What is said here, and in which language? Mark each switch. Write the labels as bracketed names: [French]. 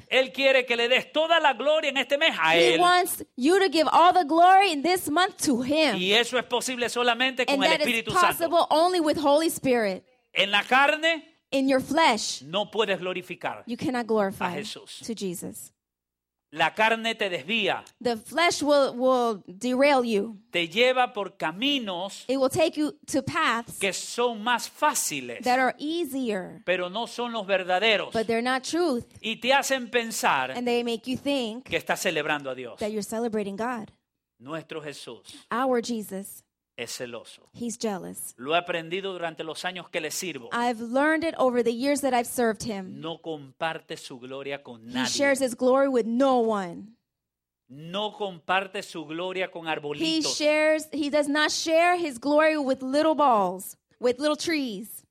[Spanish] Él quiere que le des toda la gloria en este mes a [English] he [Spanish] Él. [English] He wants you to give all the glory in this month to Him. [Spanish] Y eso es posible solamente [English] and [Spanish] con el Espíritu Santo. [English] And that is possible [Spanish] Santo. [English] Only with Holy Spirit. [Spanish] En la carne, [English] in your flesh, [Spanish] no puedes glorificar [English] you cannot glorify [Spanish] a Jesús. [English] To Jesus. [Spanish] La carne te desvía. [English] The flesh will derail you. [Spanish] Te lleva por caminos. [English] It will take you to paths [Spanish] que son más fáciles. [English] That are easier. [Spanish] Pero no son los verdaderos. [English] But they're not truth. [Spanish] Y te hacen pensar. [English] And they make you think [Spanish] que estás celebrando a Dios. [English] That you're celebrating God. [Spanish] Nuestro Jesús. [English] Our Jesus. [Spanish] Es celoso. [English] He's jealous. [Spanish] Lo he aprendido durante los años que le sirvo. [English] I've learned it over the years that I've served him. [Spanish] No comparte su gloria con nadie. [English] He shares his glory with no one. [Spanish] No comparte su gloria con arbolitos. [English] He does not share his glory with little balls, with little trees.